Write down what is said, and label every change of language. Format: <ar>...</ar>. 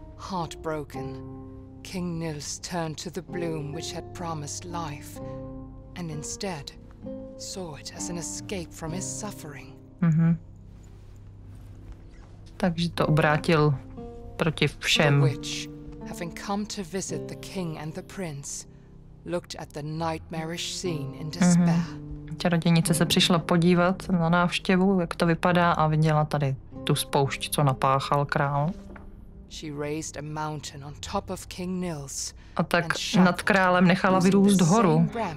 <en>Heartbroken, King Nils turned to the bloom which had promised life, and instead saw it as an escape from his suffering. Mhm.</en> <cs>Takže to obrátil proti všem.</cs> <en>The witch, having come to visit the king and the prince, looked at the nightmarish scene in despair. Mm-hmm.</en> <cs>Čarodějnice se přišla podívat na návštěvu, jak to vypadá, a viděla tady tu spoušť, co napáchal král.</cs> <en>She raised a mountain on top of King Nils.</en> <cs>A tak nad králem nechala vyrůst horu.</cs>